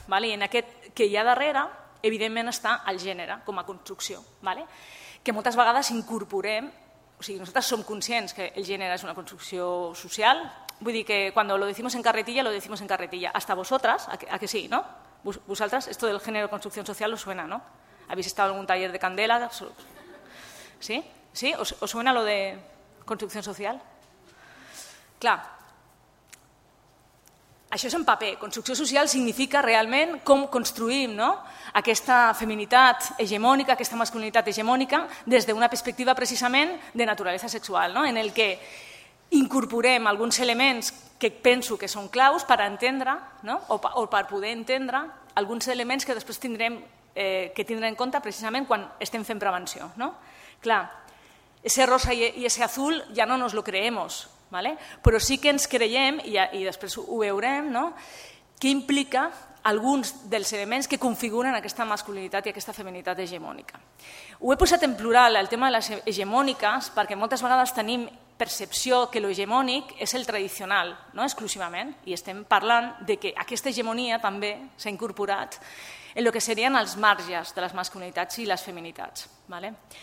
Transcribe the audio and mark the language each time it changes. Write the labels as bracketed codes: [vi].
[ca] Vale? I en aquest que hi ha darrere, evidentment, està el gènere com a construcció. Vale? Que moltes vegades incorporem, o sigui, nosaltres som conscients que el gènere és una construcció social. Vull dir que quan [es] lo decimos en carretilla, lo decimos en carretilla. Hasta vosotras, a que sí, no? Vosaltres, esto del género construcción social os suena, no? Habéis estado en algún taller de Candela? Sí? Sí? Os suena lo de construcción social? [ca] Clar. Això és en paper. Construcció social significa realment com construïm, no? Aquesta feminitat hegemònica, aquesta masculinitat hegemònica, des d'una perspectiva precisament de naturalesa sexual, no? En el que incorporem alguns elements que penso que són claus per entendre, no? O per poder entendre alguns elements que després tindrem que tindre en compte precisament quan estem fent prevenció, no? [es] Clar, ese rosa i ese azul ja no nos lo creemos, ¿vale? [ca] Però sí que ens creiem, i després ho veurem, no? Què implica alguns dels elements que configuren aquesta masculinitat i aquesta feminitat hegemònica. Ho he posat en plural, el tema de les hegemòniques, perquè moltes vegades tenim percepció que lo hegemònic és el tradicional, no exclusivament, i estem parlant de que aquesta hegemonia també s'ha incorporat en el que serien els marges de les masculinitats i les feminitats. ¿Vale?